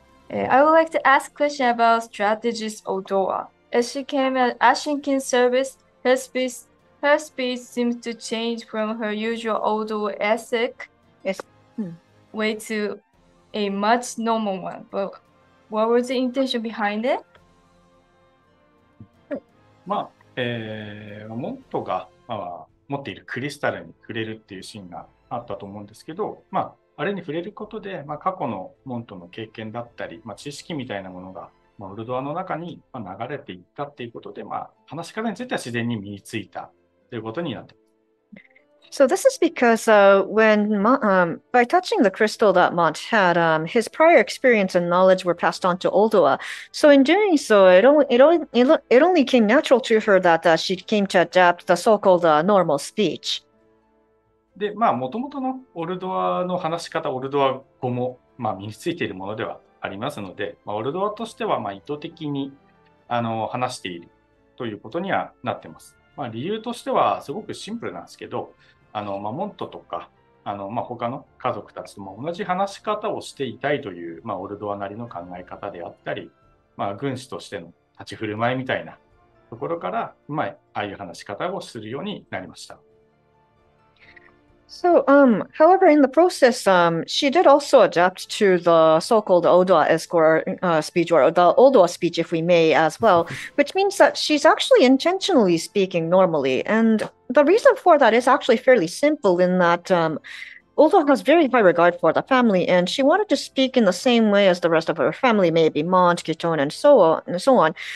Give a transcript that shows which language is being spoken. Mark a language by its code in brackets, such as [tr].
[en] I would like to ask a question about strategist Odoa. As she came at Ashinkin service, her speech seems to change from her usual Odoa ethic. Yes. Way to a much normal one, but what was the intention behind it? [ja] まあ、モントが、まあ、持っているクリスタルに触れるっていうシーンがあったと思うんですけど、まあ、あれに触れることで、まあ、過去のモントの経験だったり、まあ、知識みたいなものが、まあ、ウルドアの中に流れていったっていうことで、まあ、話し方については自然に身についたということになってます。 [en] So this is because by touching the crystal that Mont had, his prior experience and knowledge were passed on to Odoa. So in doing so, it only came natural to her that she came to adapt the so-called normal speech. [ja] で、まあ、元々のオルドアの話し方、オルドア語も、まあ、身についているものではありますので、まあ、オルドアとしては、まあ、意図的に話しているということにはなってます。まあ、理由としてはすごくシンプルなんですけど、まあ、モントとか、まあ、他の家族たちとも同じ話し方をしていたいという、まあ、オルドアなりの考え方であったり、まあ、軍師としての立ち振る舞いみたいなところから、まあ、ああいう話し方をするようになりました。 [en] So, however, in the process, she did also adapt to the so-called Odoa escort speech, or the Odoa speech, if we may, as well, which means that she's actually intentionally speaking normally. And the reason for that is actually fairly simple in that Odoa has very high regard for the family, and she wanted to speak in the same way as the rest of her family, maybe Mont, Kitone, and so on.